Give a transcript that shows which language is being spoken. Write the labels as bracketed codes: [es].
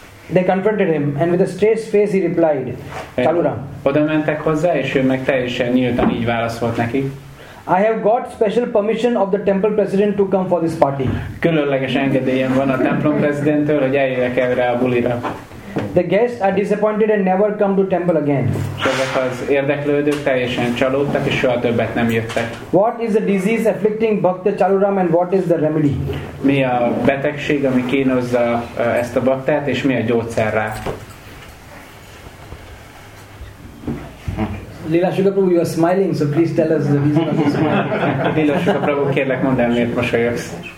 [en] They confronted him and with a straight face he replied, Chaluram. [hu] Oda mentek hozzá, és ő meg teljesen nyíltan így válaszolt neki. [en] I have got special permission of the temple president to come for this party. [hu] Különleges engedélyem van a templom prezidenttől, hogy eljöjjek erre a bulira. [en] The guests are disappointed and never come to temple again. [hu] Ezek az érdeklődők teljesen csalódtak, és soha többet nem jöttek. [en] What is the disease afflicting Bhakta Chaluram and what is the remedy? [hu] Mi a betegség, ami kínozza ezt a baktát, és mi a gyógyszer rá? [en] Lila Sugar Prabhu, you are smiling, so please tell us the reason of the smile. [hu] Lila Sugar Prabhu, kérlek mondd el, miért mosolyogsz.